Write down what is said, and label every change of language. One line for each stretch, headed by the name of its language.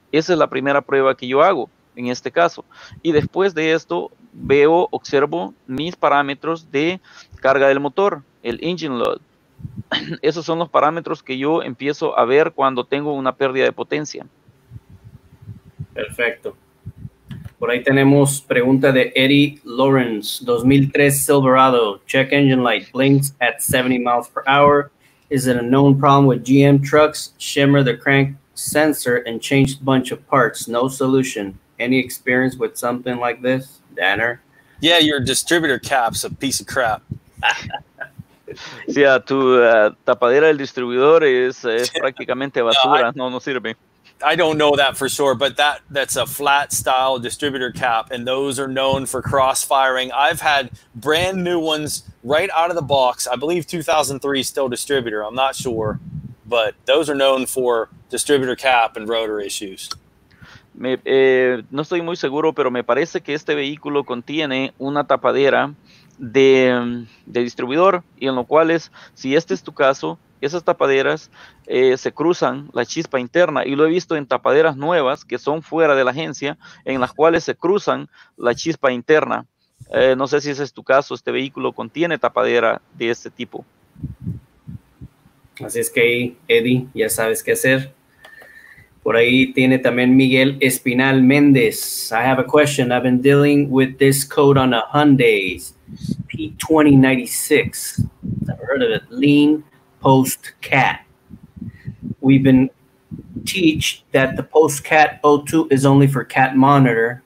Spanish: Esa es la primera prueba que yo hago en este caso. Y después de esto, observo mis parámetros de carga del motor, el engine load. Esos son los parámetros que yo empiezo a ver cuando tengo una pérdida de potencia. Perfecto. Por ahí tenemos pregunta de Eddie Lawrence, 2003 Silverado.
English: Check engine light blinks at 70 miles per hour. Is it a known problem with GM trucks? Shimmer the crank sensor and change a bunch of parts. No solution. Any experience with something like this, Danner? Yeah, your distributor cap's a piece of crap.
Spanish: Yeah, tu tapadera del distribuidor es prácticamente basura. No sirve.
English: I don't know that for sure, but that's a flat style distributor cap, and those are known for cross-firing. I've had brand new ones right out of the box. I believe 2003 still distributor. I'm not sure, but those are known for distributor cap and rotor issues.
Spanish: No estoy muy seguro, pero me parece que este vehículo contiene una tapadera de distribuidor, y en lo cual es, si este es tu caso, esas tapaderas se cruzan la chispa interna, y lo he visto en tapaderas nuevas que son fuera de la agencia, en las cuales se cruzan la chispa interna. No sé si ese es tu caso, este vehículo contiene tapadera de este tipo. Así es que ahí, Eddie, ya sabes qué hacer. Por ahí tiene también Miguel Espinal Méndez.
English: I have a question. I've been dealing with this code on a Hyundai P2096. Never heard of it. Lean Post Cat. We've been teach that the post cat O2 is only for cat monitor.